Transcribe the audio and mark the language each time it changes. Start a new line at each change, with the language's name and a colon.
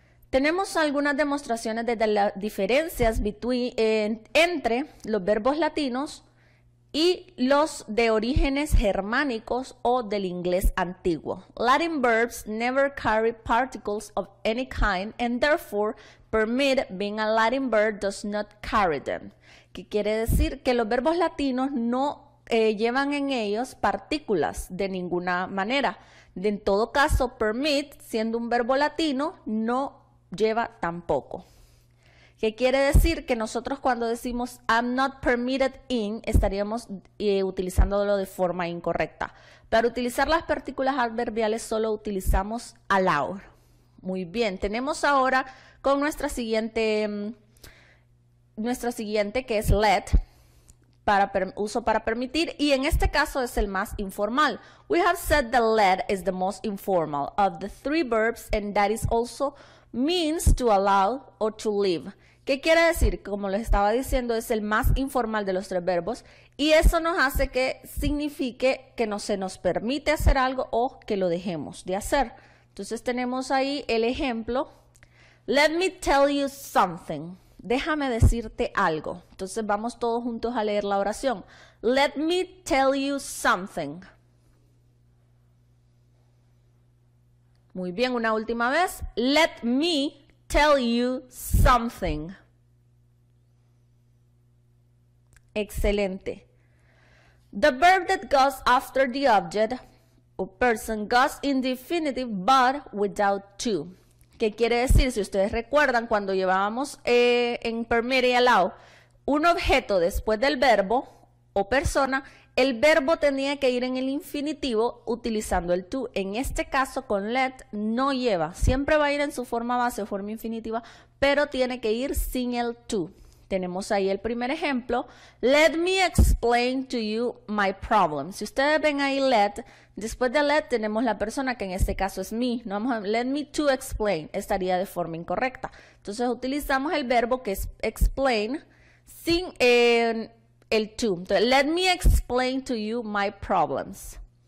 Spanish: Tenemos algunas demostraciones de las diferencias entre los verbos latinos y los de orígenes germánicos o del inglés antiguo.
English: Latin verbs never carry particles of any kind, and therefore, permit being a Latin verb does not carry them.
Spanish: ¿Qué quiere decir? Que los verbos latinos no llevan en ellos partículas de ninguna manera. En todo caso, permit, siendo un verbo latino, no lleva tampoco. ¿Qué quiere decir? Que nosotros cuando decimos
English: I'm not permitted in,
Spanish: estaríamos utilizándolo de forma incorrecta. Para utilizar las partículas adverbiales solo utilizamos allowed. Muy bien, tenemos ahora con nuestra siguiente que es let, para permitir, y en este caso es el más informal.
English: We have said that let is the most informal of the three verbs and that is also means to allow or to leave.
Spanish: ¿Qué quiere decir? Como les estaba diciendo, es el más informal de los tres verbos y eso nos hace que signifique que no se nos permite hacer algo o que lo dejemos de hacer. Entonces tenemos ahí el ejemplo.
English: Let me tell you something.
Spanish: Déjame decirte algo. Entonces vamos todos juntos a leer la oración.
English: Let me tell you something.
Spanish: Muy bien, una última vez.
English: Let me tell you something.
Spanish: Excelente.
English: The verb that goes after the object or person goes in the infinitive but without to.
Spanish: ¿Qué quiere decir? Si ustedes recuerdan cuando llevábamos en primary allow un objeto después del verbo o persona, el verbo tenía que ir en el infinitivo utilizando el to. En este caso con let no lleva. Siempre va a ir en su forma base o forma infinitiva, pero tiene que ir sin el to. Tenemos ahí el primer ejemplo.
English: Let me explain to you my problem.
Spanish: Si ustedes ven ahí let, después de let tenemos la persona que en este caso es me. No vamos a,
English: let me to explain
Spanish: estaría de forma incorrecta. Entonces utilizamos el verbo que es explain sin el to. Entonces,
English: let me explain to you my problems.